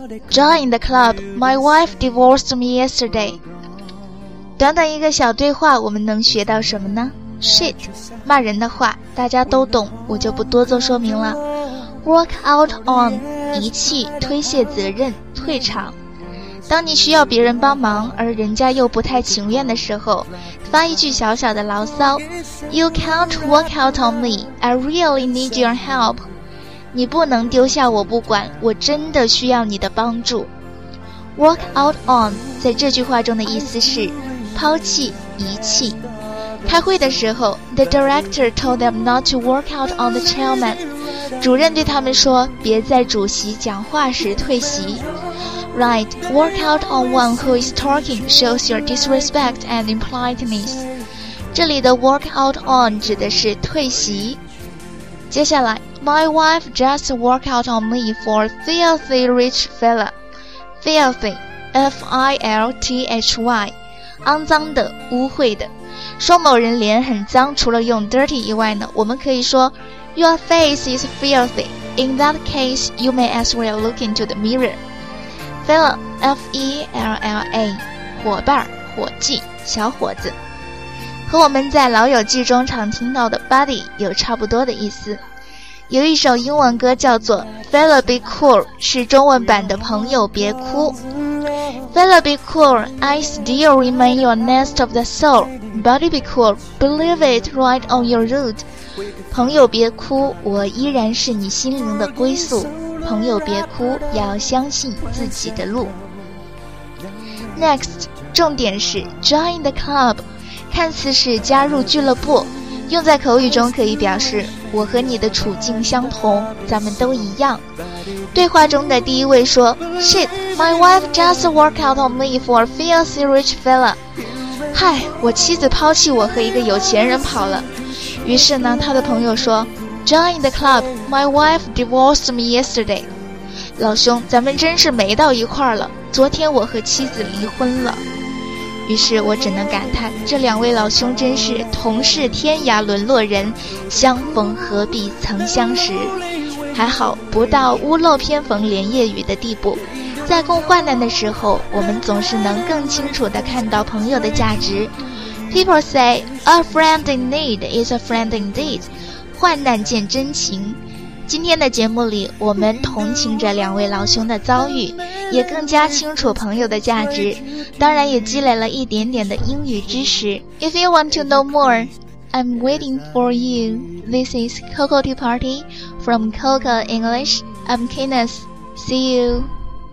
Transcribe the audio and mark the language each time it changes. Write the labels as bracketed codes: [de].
[en] Join the club, my wife divorced me yesterday. [zh] 短短一个小对话，我们能学到什么呢？Shit, 骂人的话，大家都懂，我就不多做说明了。 Walk out on, 遗弃，推卸责任，退场。当你需要别人帮忙，而人家又不太情愿的时候，发一句小小的牢骚 [en] You can't walk out on me, I really need your help. [zh] 你不能丢下我不管，我真的需要你的帮助。 Walk out on 在这句话中的意思是抛弃、遗弃。开会的时候， [en] The director told them not to walk out on the chairman. [zh] 主任对他们说，别在主席讲话时退席。 [en] Right, walk out on one who is talking shows your disrespect and impoliteness. [zh] 这里的 walk out on 指的是退席。接下来， [en] my wife just walked out on me for filthy rich fella. [zh] Filthy, F-I-L-T-H-Y, 肮脏的，污秽的。说某人脸很脏，除了用 dirty 以外呢，我们可以说 [en] your face is filthy. [zh] In that case, you may as well look into the mirror. Fella, F-E-L-L-A, 伙伴、伙计、小伙子，和我们在老友记中常听到的 Buddy 有差不多的意思。有一首英文歌叫做 Fella Be Cool, 是中文版的朋友别哭。 [en] Fella Be Cool, I still remain your nest of the soul. Buddy Be Cool, Believe it right on your root. [zh] 朋友别哭，我依然是你心灵的归宿。朋友别哭，要相信自己的路。 Next, 重点是 [en] Join the club, [zh] 看似是加入俱乐部，用在口语中可以表示我和你的处境相同，咱们都一样。对话中的第一位说 [en] Shit, my wife just walked out on me for filthy rich fella. [zh] 嗨，我妻子抛弃我和一个有钱人跑了。于是呢，他的朋友说 [en] Join the club, my wife divorced me yesterday. [zh] 老兄，咱们真是没到一块儿了，昨天我和妻子离婚了。于是我只能感叹，这两位老兄真是同是天涯沦落人，相逢何必曾相识。还好不到屋漏偏逢连夜雨的地步，在共患难的时候，我们总是能更清楚地看到朋友的价值。 [en] People say, a friend in need is a friend indeed. [zh] 患难见真情。今天的节目里，我们同情着两位老兄的遭遇，也更加清楚朋友的价值，当然也积累了一点点的英语知识。 [en] If you want to know more, I'm waiting for you. This is Coco Tea Party from Coco English. I'm Kenneth. See you.